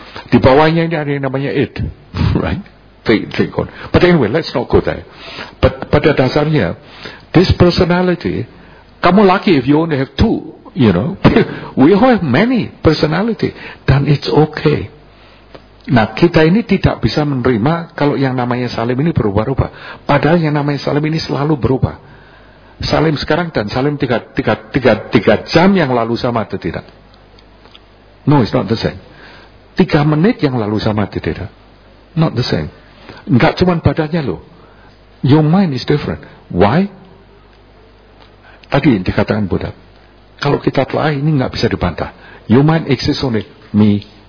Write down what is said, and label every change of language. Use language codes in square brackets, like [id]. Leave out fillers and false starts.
[id] Di bawahnya ini ada yang namanya [en] it, right? Think on. But anyway, let's not go there. But [id] pada dasarnya, [en] this personality, [id] kamu [en] lucky if you only have two, you know. We all have many personality, [id] dan [en] it's okay. [id] Nah, kita ini tidak bisa menerima kalau yang namanya Salim ini berubah-ubah. Padahal yang namanya Salim ini selalu berubah. Salim sekarang dan Salim 3 jam yang lalu sama atau tidak? [en] No, it's not the same. [id] 3 menit yang lalu sama atau tidak? [en] Not the same. [id] Enggak cuma badannya loh. [en] Your mind is different. Why? [id] Tadi yang dikatakan Buddha. Kalau kita telah ini enggak bisa dibantah. [en] Your mind exists only me.